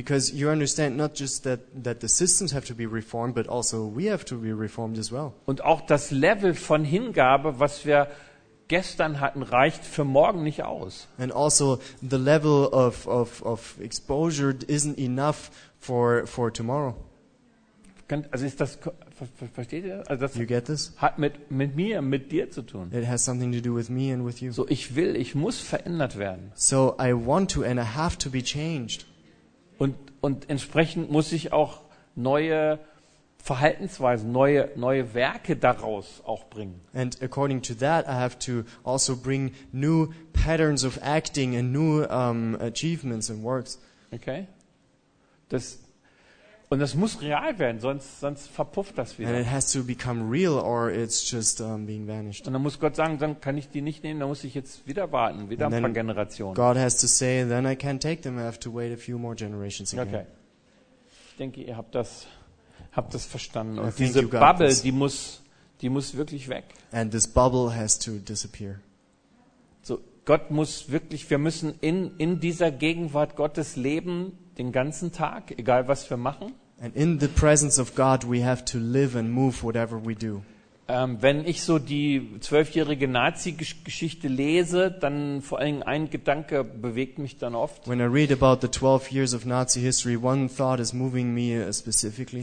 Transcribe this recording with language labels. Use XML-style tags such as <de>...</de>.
<en>Because you understand not just that the systems have to be reformed, but also we have to be reformed as well.</en> <de>Und auch das Level von Hingabe, was wir gestern hatten, reicht für morgen nicht aus.</de> <en>And also the level of exposure isn't enough for tomorrow.</en> <de>Also ist das, versteht ihr? Also das</de> <en>you get this?</en> <de>Hat mit mir, mit dir zu tun.</de> <en>It has something to do with me and with you.</en> <de>So ich muss verändert werden.</de> <en>So I want to and I have to be changed.</en> <de>Und entsprechend muss ich auch neue Verhaltensweisen, neue Werke daraus auch bringen.</de> <en>And according to that, I have to also bring new patterns of acting and new achievements and works. Okay.</en> <de>Und das muss real werden, sonst verpufft das wieder.</de> <en>And it has to become real or it's just being vanished.</en> <de>Und dann muss Gott sagen, dann kann ich die nicht nehmen, dann muss ich jetzt wieder warten, wieder ein paar Generationen.</de> <en>God has to say, then I can't take them, I have to wait a few more generations again. Okay.</en> <de>Ich denke, ihr habt das verstanden. Und diese Bubble, die muss wirklich weg.</de> <en>And this bubble has to disappear.</en> <de>So, Gott muss wirklich, wir müssen in dieser Gegenwart Gottes leben, den ganzen Tag, egal was wir machen.</de> <en>And in the presence of God, we have to live and move whatever we do.</en> <de>Wenn ich so die 12-jährige Nazi-Geschichte lese, dann vor allem ein Gedanke bewegt mich dann oft.</de> <en>When I read about the 12 years of Nazi history, one thought is moving me specifically.</en>